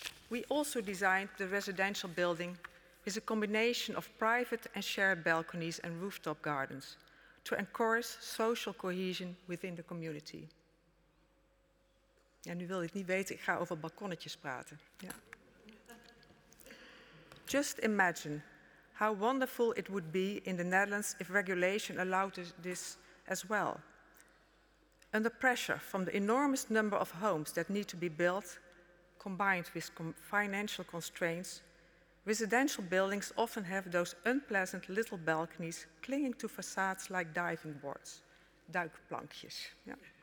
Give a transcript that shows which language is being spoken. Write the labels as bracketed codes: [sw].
[en] We also designed the residential building is a combination of private and shared balconies and rooftop gardens to encourage social cohesion within the community. [nl] Ja, nu wil ik niet weten, ik ga over balkonnetjes praten. Ja. [en] Just imagine how wonderful it would be in the Netherlands if regulation allowed this as well. Under pressure from the enormous number of homes that need to be built, combined with financial constraints, residential buildings often have those unpleasant little balconies clinging to facades like diving boards, duikplankjes. Yeah.